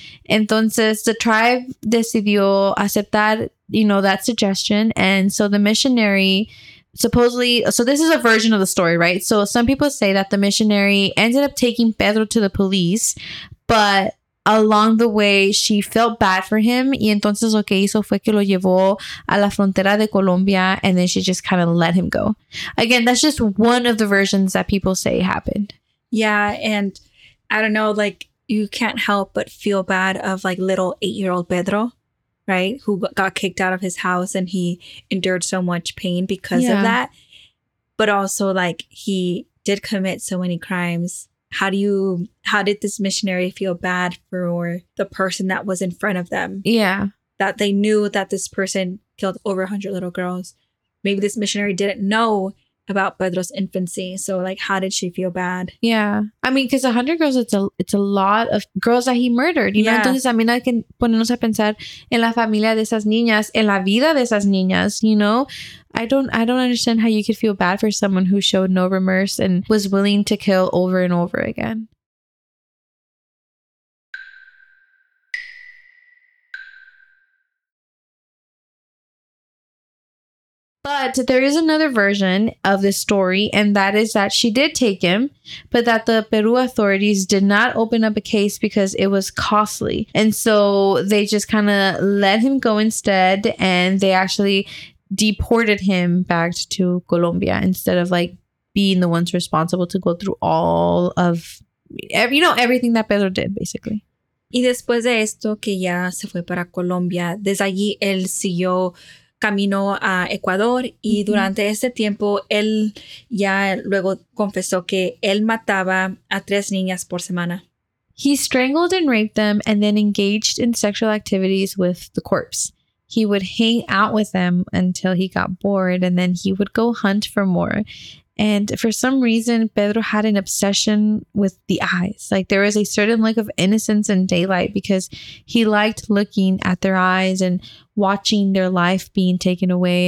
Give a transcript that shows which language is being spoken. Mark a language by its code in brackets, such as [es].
[es] Entonces, [en] the tribe [es] decidió aceptar, [en] you know, that suggestion. And so the missionary supposedly, so this is a version of the story, right? So some people say that the missionary ended up taking Pedro to the police, but along the way, she felt bad for him. [es] Y entonces lo que hizo fue que lo llevó a la frontera de Colombia, [en] and then she just kind of let him go. Again, that's just one of the versions that people say happened. Yeah, and I don't know, like, you can't help but feel bad of, like, little 8-year-old Pedro, right? Who got kicked out of his house and he endured so much pain because of that. But also, like, he did commit so many crimes. How did this missionary feel bad for the person that was in front of them? Yeah. That they knew that this person killed over 100 little girls. Maybe this missionary didn't know about Pedro's infancy. So, like, how did she feel bad? Yeah. I mean, because 100 girls, it's a lot of girls that he murdered, you know? [es] Entonces, también hay que ponernos a pensar en la familia de esas niñas, en la vida de esas niñas, [en] you know? I don't understand how you could feel bad for someone who showed no remorse and was willing to kill over and over again. But there is another version of this story, and that is that she did take him, but that the Peru authorities did not open up a case because it was costly. And so they just kind of let him go instead, and they actually deported him back to Colombia instead of, like, being the ones responsible to go through all of, you know, everything that Pedro did, basically. [es] Y después de esto, que ya se fue para Colombia, desde allí él siguió camino a Ecuador y mm-hmm. durante ese tiempo él ya luego confesó que él mataba a 3 niñas por semana. [en] He strangled and raped them and then engaged in sexual activities with the corpse. He would hang out with them until he got bored and then he would go hunt for more. And for some reason, Pedro had an obsession with the eyes. Like, there was a certain look of innocence in daylight because he liked looking at their eyes and watching their life being taken away.